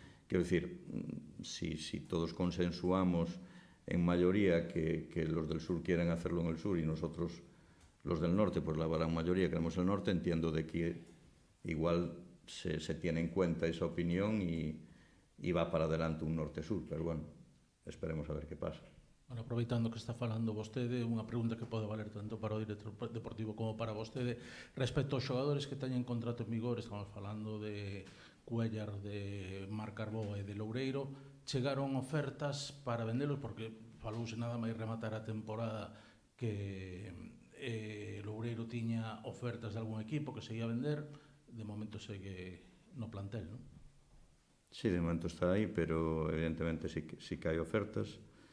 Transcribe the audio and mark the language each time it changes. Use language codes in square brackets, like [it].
[es] Quiero decir, si todos consensuamos en mayoría que los del sur quieren hacerlo en el sur y nosotros, los del norte, pues la gran mayoría queremos el norte, entiendo de que igual se tiene en cuenta esa opinión y va para adelante un norte-sur, pero bueno, esperemos a ver qué pasa. [gl] Bueno, aproveitando que está falando vostede, unha pregunta que pode valer tanto para o director deportivo como para vostede, respecto aos xogadores que teñen contrato en vigor, estamos falando de Cuellar, de Marc Carbó e de Loureiro, chegaron ofertas para vendelos, porque falouse nada máis rematar a temporada que Loureiro tiña ofertas de algún equipo que seguía a vender, de momento segue no plantel, non? Sí, de momento está aí, pero evidentemente sí que hai ofertas.